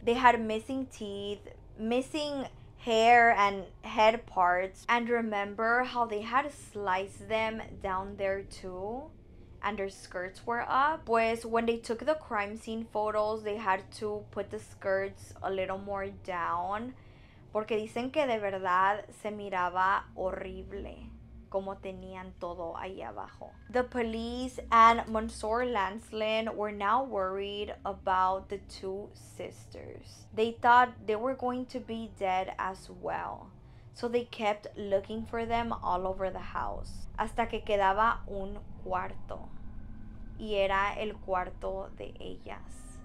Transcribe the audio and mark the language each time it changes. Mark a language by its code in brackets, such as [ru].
[en] They had missing teeth, missing hair and head parts. And remember how they had sliced them down there too? And their skirts were up. Pues when they took the crime scene photos, they had to put the skirts a little more down. [es] Porque dicen que de verdad se miraba horrible como tenían todo ahí abajo. [en] The police and Mansour Lancelin were now worried about the two sisters. They thought they were going to be dead as well. So they kept looking for them all over the house. [es] Hasta que quedaba un cuarto. Y era el cuarto de ellas.